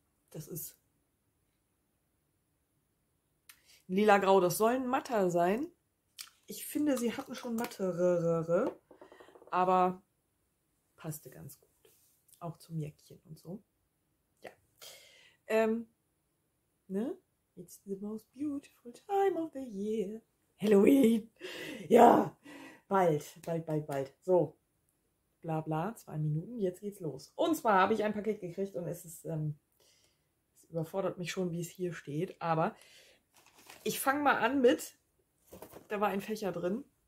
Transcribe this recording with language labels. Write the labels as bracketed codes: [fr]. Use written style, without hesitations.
[de] Das ist lila-grau, das soll ein matter sein. Ich finde, sie hatten schon matterere, aber passte ganz gut. Auch zum Jäckchen und so. Ne? [en] It's the most beautiful time of the year. [de] Halloween. Ja, bald, bald, bald, bald. So, bla bla, 2 Minuten, jetzt geht's los. Und zwar habe ich ein Paket gekriegt und es überfordert mich schon, wie es hier steht. Aber ich fange mal an mit, da war ein Fächer drin.